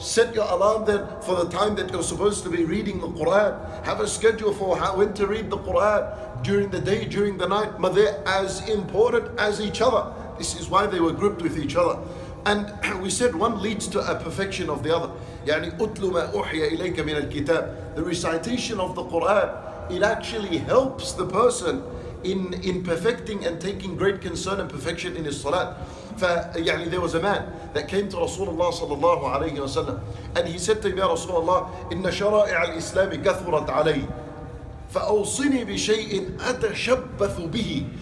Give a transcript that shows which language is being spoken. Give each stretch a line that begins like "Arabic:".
English: Set your alarm then for the time that you're supposed to be reading the Quran. Have a schedule for how, when to read the Quran, during the day, during the night. But they're as important as each other. This is why they were grouped with each other. And we said one leads to a perfection of the other.
Arabic: يعني أُتْلُ مَا أُوحِيَ إِلَيْكَ مِنَ الْكِتَابِ.
English: The recitation of the Quran, it actually helps the person in perfecting and taking great concern and perfection in his salat.
Arabic: فيعني,
English: there was a man that came to Rasulullah sallallahu alayhi wa sallam, and he said to him, Ya Rasulullah,
Arabic: إِنَّ شَرَائِعَ الْإِسْلَامِ كَثُرَتْ عَلَيْهِ فَأَوْصِنِي بِشَيْءٍ أَتَشَبَّثُ بِهِ.